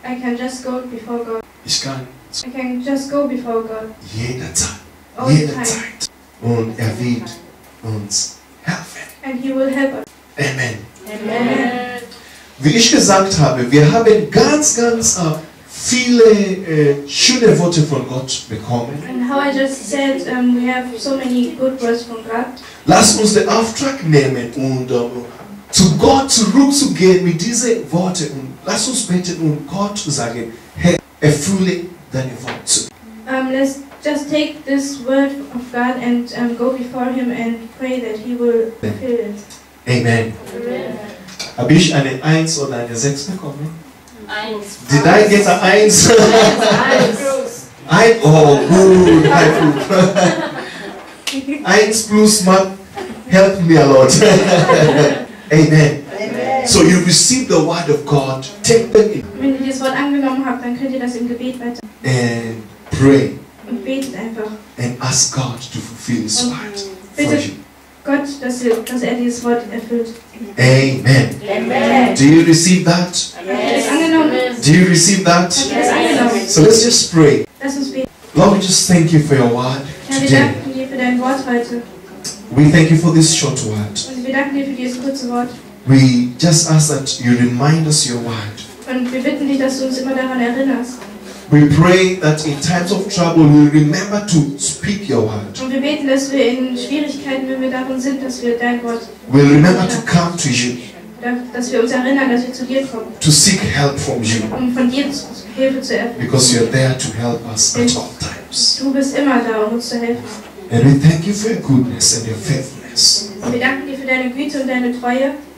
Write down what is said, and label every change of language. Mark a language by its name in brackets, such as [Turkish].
[English] I can just go before God. I can just go before God. [German] Jederzeit. Und wird uns helfen. [English] And he will help us. Amen. Amen. [German] Wie ich gesagt habe, wir haben ganz, ganz viele schöne Worte von Gott bekommen. [English] And how I just said, we have so many good words from God. [German] Lass uns den Auftrag nehmen und zu Gott zurückzugehen mit diesen Worten. Und lass uns beten und Gott sagen, Herr, erfülle deine Worte. [English] Let's just take this word of God and go before him and pray that he will fulfill it. [German] Amen. Habe ich eine 1 oder eine 6 bekommen? 1. [English] Did I get a 1? 1. [German] Oh, gut. [English] 1 plus, man, help me a lot. Amen. Amen. So you receive the word of God. Take them in. [German] Wenn ihr das Wort angenommen habt, dann könnt ihr das im Gebet weiter. [English] And pray. [German] Und betet einfach. [English] And ask God to fulfill his word for you. [German] Gott, dass er dieses Wort erfüllt. Amen. Amen. [English] Do you receive that? Yes. Do you receive that? Yes. So let's just pray. [German] Lass uns beten. [English] Lord, we just thank you for your word today. [German] Wir danken dir für dein Wort heute. [English] We thank you for this short word. [German] Und wir danken dir für dieses kurze Wort. [English] We just ask that you remind us your word. [German] Und wir bitten dich, dass du uns immer daran erinnerst. [English] We pray that in times of trouble we remember to speak your word. [German] Und wir beten, dass wir in Schwierigkeiten, wenn wir darin sind, dass wir dein Wort. [English] We remember to come to you. [German] Dass wir uns erinnern, dass wir zu dir kommen. [English] To seek help from you. [German] Um von dir Hilfe zu erhalten. [English] Because you are there to help us at all times. [German] Du bist immer da, um uns zu helfen. [English] And we thank you for your goodness and your faithfulness. [German] Wir danken dir für deine Güte und deine Treue.